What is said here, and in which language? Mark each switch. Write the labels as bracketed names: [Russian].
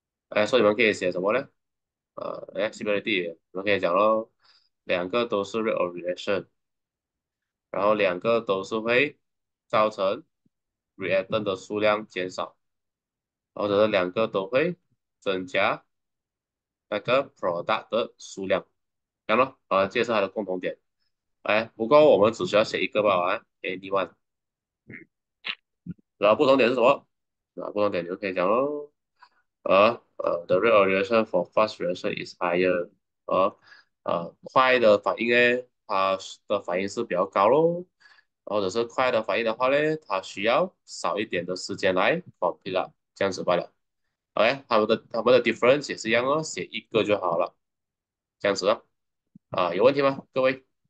[Chinese] OK，所以你们可以写什么呢？Accessibility，你们可以讲喽，两个都是 rate of reaction，然后两个都是会造成 reactant 的数量减少，或者是两个都会增加。那个 product 的数量，这样咯，这是它的共同点。不过我们只需要写一个吧，anyone。然后不同点是什么？不同点你就可以讲喽。 [English] The rate of reaction for fast reaction is higher。 [Chinese] 快的反应呢，它的反应是比较高喽。或者是快的反应的话呢，它需要少一点的时间来 complete 了，这样子罢了。 OK，他们的 difference 也是一样哦，写一个就好了，这样子啊，有问题吗？各位？